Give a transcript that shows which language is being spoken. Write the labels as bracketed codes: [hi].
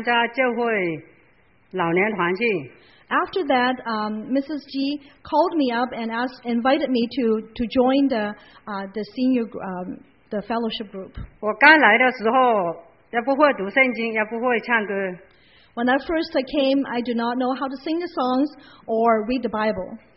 [zh] 后来季妈妈打电话叫我参加教会老年团去, [en] after that, Mrs. G called me up and invited me to join the senior the fellowship group. [zh] 我刚来的时候也不会读圣经，也不会唱歌。 [en] When I first came, I do not know how to sing the songs or read the Bible.